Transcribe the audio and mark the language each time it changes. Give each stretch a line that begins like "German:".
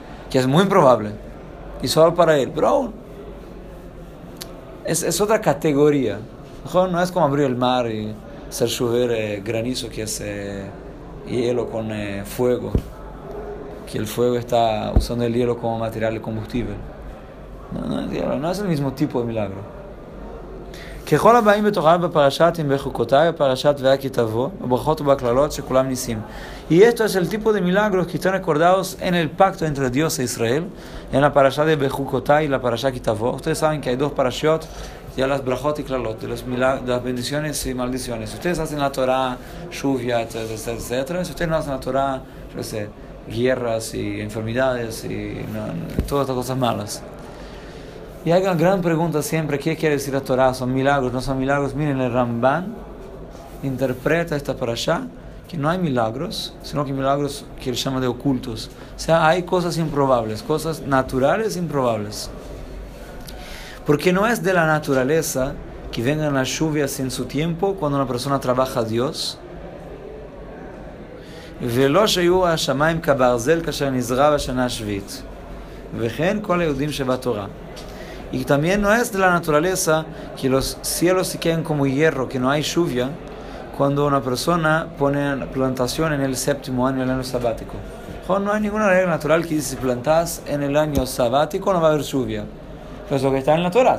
Spanish: Que es muy improbable. Y solo para él. Pero aún. Es otra categoría. Mejor no es como abrir el mar y hacer llover granizo que es hielo con fuego. Que el fuego está usando el hielo como material de combustible. No es el mismo tipo de milagro.
Hebrew: ככל הבאים בתורה בפרשת עם בחוקותיי, בפרשת ואה כי תבוא, בברכות ובקללות שכולם ניסים.
Spanish: Y esto es el tipo de milagros que están recordados en el pacto entre Dios e Israel, en la parasha de Bechukotai y la parasha que tavoh. Ustedes saben que hay dos parashiot, ya las brachot y klalot, de las bendiciones y maldiciones. Ustedes hacen la Torah, lluvia, etc. Si ustedes no hacen la Torah, yo sé, guerras y enfermedades y todas estas cosas malas. Y hay una gran pregunta siempre, ¿qué quiere decir la Torah? ¿Son milagros? ¿No son milagros? Miren, el Ramban interpreta esta parasha, que no hay milagros, sino que milagros que él llama de ocultos. O sea, hay cosas improbables, cosas naturales improbables. Porque no es de la naturaleza que vengan las lluvias en su tiempo cuando una persona trabaja a Dios.
Hebrew: ולא שיהיו השמיים כברזל כאשר נזרע בשנה השביעית. וכן כל היהודים שבתורה.
Spanish: Y también no es de la naturaleza que los cielos se queden como hierro, que no hay lluvia, cuando una persona pone plantación en el séptimo año del año sabático. No hay ninguna regla natural que dice si plantas en el año sabático no va a haber lluvia. Pero es lo que está en la Torah.